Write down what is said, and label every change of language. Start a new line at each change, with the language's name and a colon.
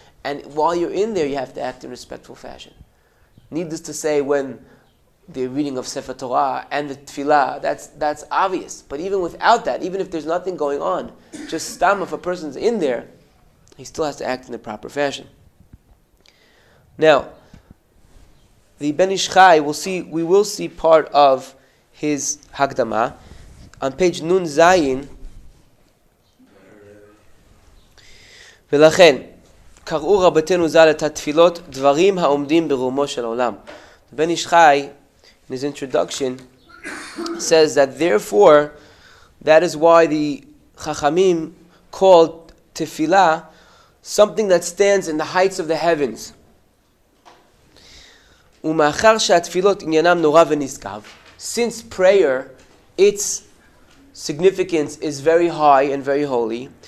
English: And while you're in there, you have to act in a respectful fashion. Needless to say, when the reading of Sefer Torah and the Tefillah, that's obvious. But even without that, even if there's nothing going on, just stam, if a person's in there, he still has to act in the proper fashion. Now, the Ben Ish Chai, we will see part of his Hagdama.
Hebrew: On page Nun Zayin, V'lachen, קראו רבתנו זל את התפילות דברים העומדים ברומו של העולם.
English: בן ישחי, in his introduction, says that therefore, that is why the Chachamim called tefillah something that stands in the heights of the heavens.
Hebrew: Umachar sha'atfilot inyanam nora v'nizkav.
English: Since prayer, its significance is very high and very holy.